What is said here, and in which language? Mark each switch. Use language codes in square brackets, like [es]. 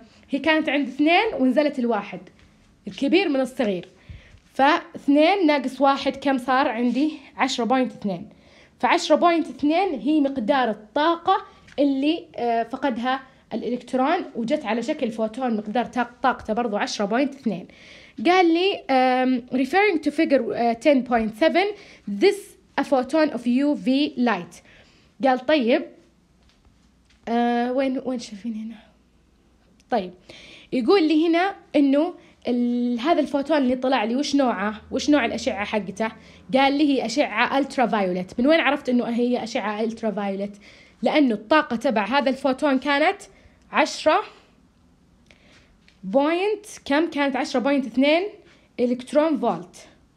[ar] هي كانت عند 2 ونزلت الواحد، الكبير من الصغير، ف2 ناقص 1 كم صار عندي؟ 10.2. ف10.2 هي مقدار الطاقة اللي فقدها الإلكترون وجت على شكل فوتون، مقدار طاقته برضو 10.2. قال لي [en] referring to figure 10.7 this a photon of UV light. [ar] قال طيب وين شايفين هنا؟ طيب يقول لي هنا انه هذا الفوتون اللي طلع لي وش نوعه؟ وش نوع الأشعة حقته؟ قال لي هي أشعة ألترا فايولت. من وين عرفت انه هي أشعة ألترا فايولت؟ لانه الطاقة تبع هذا الفوتون كانت 10 بوينت كم؟ كانت 10.2 إلكترون فولت.